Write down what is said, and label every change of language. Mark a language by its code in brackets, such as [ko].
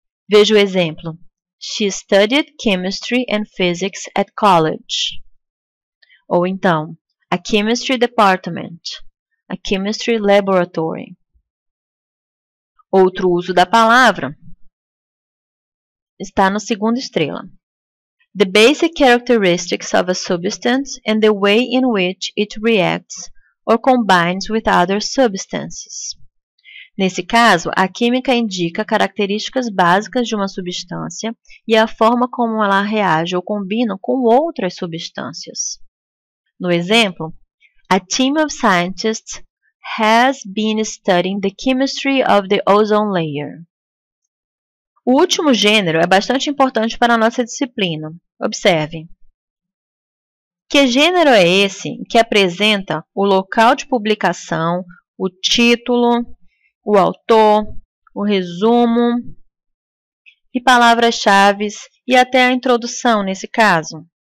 [pt] Veja o exemplo. [en] She studied chemistry and physics at college. [pt] Ou então, [en] a chemistry department, a chemistry laboratory. [pt] Outro uso da palavra está na segunda estrela. [en] The basic characteristics of a substance and the way in which it reacts or combines with other substances. [pt] Nesse caso, a química indica características básicas de uma substância e a forma como ela reage ou combina com outras substâncias. No exemplo, [en] a team of scientists has been studying the chemistry of the ozone layer. [pt] O último gênero é bastante importante para a nossa disciplina. Observe. Que gênero é esse que apresenta o local de publicação, o título, o autor, o resumo e palavras-chave e até a introdução, nesse caso?